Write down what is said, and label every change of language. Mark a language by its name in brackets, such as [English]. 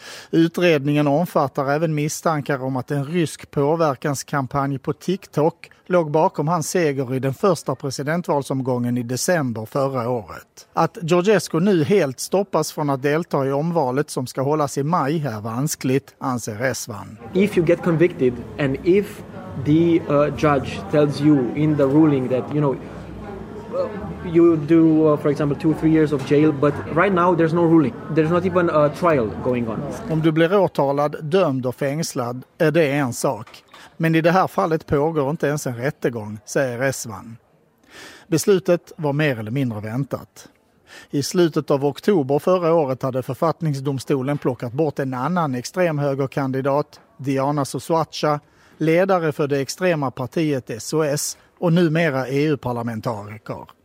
[Swedish] Utredningen omfattar även misstankar om att en rysk påverkanskampanj på TikTok låg bakom hans seger i den första presidentvalsomgången i december förra året. Att Georgescu nu helt stoppas från att delta i omvalet som ska hållas i maj är vanskligt, anser Rezvan. [English] If you get convicted and if the judge tells you in the ruling that you know you do for example 2-3 years of jail, but right now there's no ruling, there's not even a trial going on. [Swedish] Om du blir åtalad, dömd och fängslad är det en sak, men i det här fallet pågår inte ens en rättegång, säger Rezvan. Beslutet var mer eller mindre väntat. I slutet av oktober förra året hade författningsdomstolen plockat bort en annan extremhögerkandidat, Diana Sosuacha, ledare för det extrema partiet SOS och numera EU-parlamentariker.